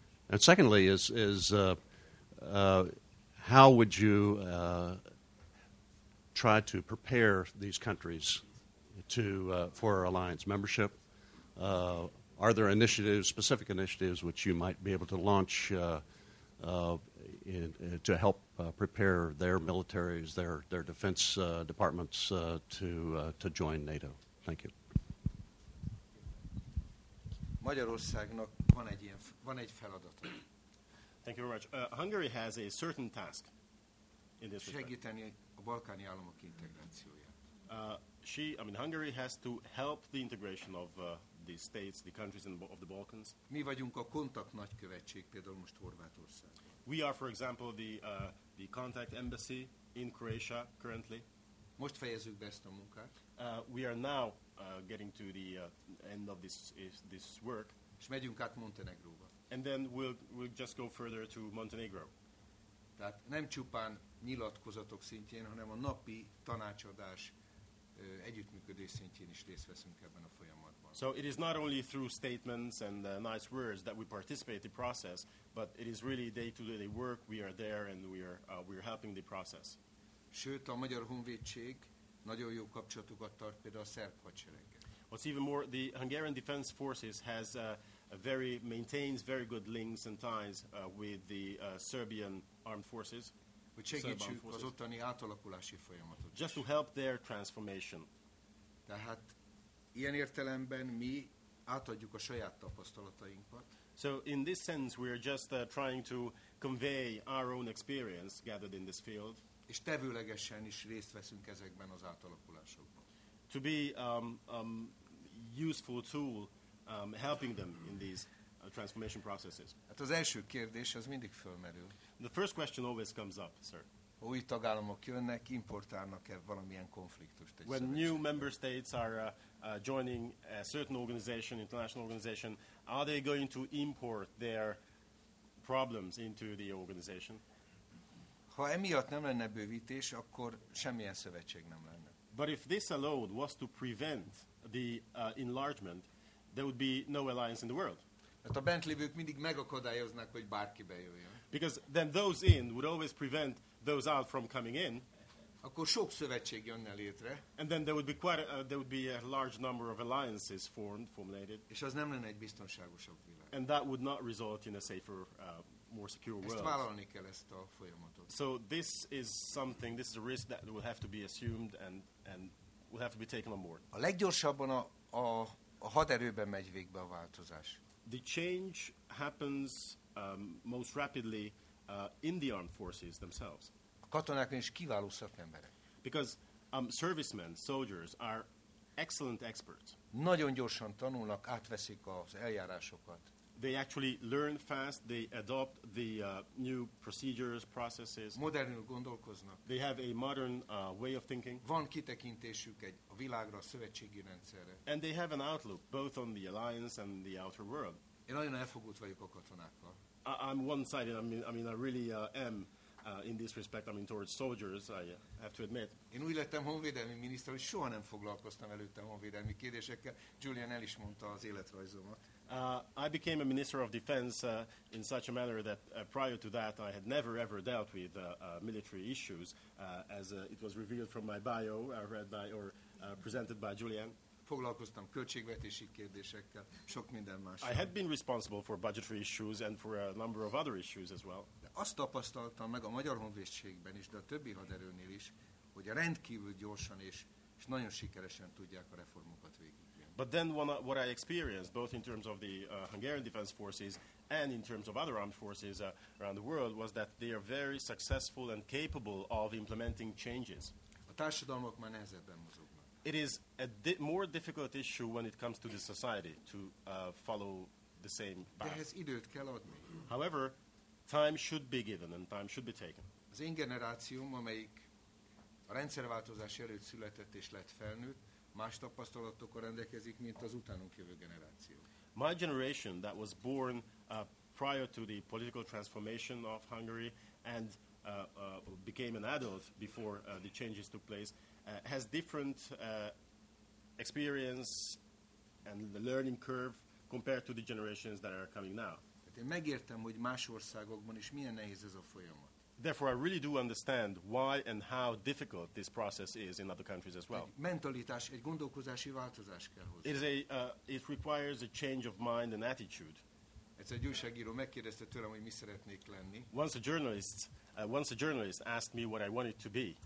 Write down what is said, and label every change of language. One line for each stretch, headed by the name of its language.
English: And secondly, is how would you try to prepare these countries for alliance membership? Are there specific initiatives which you might be able to launch to help prepare their militaries, their defense departments to join NATO? Thank you.
Hungarian: Magyarországnak van egy feladata.
English: Thank you very much. Hungary has a certain task in this.
Hungarian: Segíteni a balkáni államok integrációját.
English: Hungary has to help the integration of the states, the countries of the Balkans.
Hungarian: Mi vagyunk a kontakt nagykövetség, például most Horvátország.
English: We are, for example, the contact embassy in Croatia currently.
Hungarian: Most fejezzük be ezt a munkát.
English: We are now getting to the end of this work.
Hungarian: És megyünk át Montenegróba.
English: And then we'll just go further to Montenegro.
Hungarian: Tehát nem csupán nyilatkozatok szintjén, hanem a napi tanácsadás együttműködés szintjén is részt veszünk ebben a folyamatban.
English: So it is not only through statements and nice words that we participate in the process, but it is really day-to-day work, we are there and we are helping the process.
Hungarian: Sőt, a Magyar Honvédség nagyon jó kapcsolatokat tart például a szerb hadsereggel.
English: What's even more, the Hungarian Defense Forces has maintains very good links and ties with the Serbian Armed Forces.
Hungarian: Hogy segítsük az ottani átalakulási folyamatot.
English: Just to help their transformation.
Hungarian: Tehát ilyen értelemben mi átadjuk a saját tapasztalatainkat.
English: So in this sense we are just trying to convey our own experience gathered in this field.
Hungarian: És tevőlegesen is részt veszünk ezekben az átalakulásokban.
English: To be useful tool helping them in these transformation processes.
Hungarian: Hát az első kérdés az mindig fölmerül.
English: The first question always comes up, sir.
Hungarian: Ha új tagállamok jönnek, importálnak-e valamilyen konfliktust?
English: When new member states are joining a certain organization, international organization, are they going to import their problems into the organization?
Hungarian: Ha emiatt nem lenne bővítés, akkor semmilyen szövetség nem lenne.
English: But if this alone was to prevent the enlargement, there would be no alliance in the world.
Hungarian: Hát a bent lévők mindig megakadályoznak, hogy bárki bejöjjön.
English: Because then those in would always prevent those out from coming in.
Hungarian: Akkor sok szövetség jönne létre.
English: And then there would be a large number of alliances formulated.
Hungarian: És az nem lenne egy biztonságosabb világ.
English: And that would not result in a safer, more secure
Hungarian: ezt
English: world.
Hungarian: Ezt vállalni kell ezt a folyamatot.
English: So this is something, this is a risk that will have to be assumed and will have to be taken on board.
Hungarian: A leggyorsabban a haderőben megy végbe a változás.
English: The change happens most rapidly in the armed forces themselves.
Hungarian: A katonákon is kiváló szakemberek.
English: Because servicemen, soldiers are excellent experts.
Hungarian: Nagyon gyorsan tanulnak, átveszik az eljárásokat.
English: They actually learn fast, they adopt the new procedures, processes.
Hungarian: Modernül gondolkoznak.
English: They have a modern way of thinking.
Hungarian: Van kitekintésük egy a világra, a szövetségi rendszerre.
English: And they have an outlook both on the alliance and the outer world.
Hungarian: Én nagyon elfogult vagyok a katonákkal.
English: I'm one-sided, I really am in this respect, I mean, towards soldiers, I have to admit.
Hungarian: Én úgy lettem honvédelmi miniszter, hogy soha nem foglalkoztam előttem honvédelmi kérdésekkel. Julian el is mondta az életrajzomat.
English: I became a minister of defense in such a manner that prior to that I had never ever dealt with military issues, as it was revealed from my bio, read by or presented by Julian.
Hungarian: Foglalkoztam költségvetési kérdésekkel, sok minden más.
English: I had been responsible for budgetary issues and for a number of other issues as well.
Hungarian: De azt tapasztaltam meg a Magyar Honvédségben is, de a többi haderőnél is, hogy rendkívül gyorsan és nagyon sikeresen tudják a reformokat végigvinni.
English: But then what I experienced, both in terms of the Hungarian Defense Forces and in terms of other armed forces around the world, was that they are very successful and capable of implementing changes.
Hungarian: A társadalmak már nehezebben mozognak.
English: It is a more difficult issue when it comes to the society to follow the same path.
Hungarian: Dehez időt kell adni.
English: However, time should be given and time should be taken.
Hungarian: Az én generációm, amelyik a rendszerváltozás előtt született és lett felnőtt, más tapasztalatokkal rendelkezik, mint az utánunk jövő generáció.
English: My generation that was born prior to the political transformation of Hungary and became an adult before the changes took place, has different experience and the learning curve compared to the generations that are coming now.
Hungarian: Én megértem, hogy más országokban is milyen nehéz ez a folyamat.
English: Therefore, I really do understand why and how difficult this process is in other countries as well.
Hungarian: Mentalitás, egy gondolkozási változás kell hozzá.
English: It requires a change of mind and attitude.
Hungarian: Egyszer egy újságíró megkérdezte tőlem, hogy mi szeretnék lenni.
English: Once a journalist asked me what I wanted to be.